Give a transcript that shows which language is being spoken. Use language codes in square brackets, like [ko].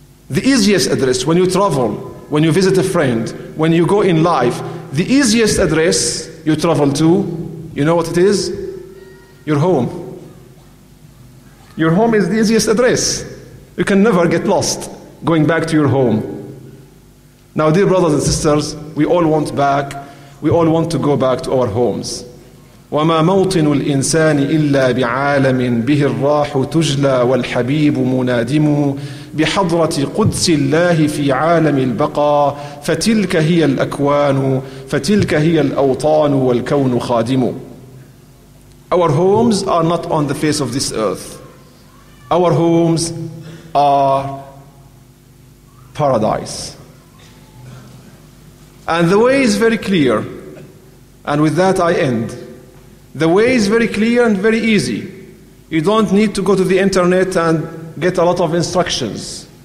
[en] The easiest address when you travel, when you visit a friend, when you go in life, the easiest address you travel to, you know what it is? Your home. Your home is the easiest address. You can never get lost going back to your home. Now, dear brothers and sisters, we all want to go back to our homes. [ar] وَمَا مَوْطِنُ الْإِنسَانِ إِلَّا بِعَالَمٍ بِهِ الرَّاحُ تُجْلَى وَالْحَبِيبُ مُنَادِمُ بحضرة قدس الله في عالم البقاء فتلك هي الأكوان فتلك هي الأوطان والكون خادم. [en] Our homes are not on the face of this earth. Our homes are paradise. And the way is very clear. And with that I end. The way is very clear and very easy. You don't need to go to the internet and get a lot of instructions.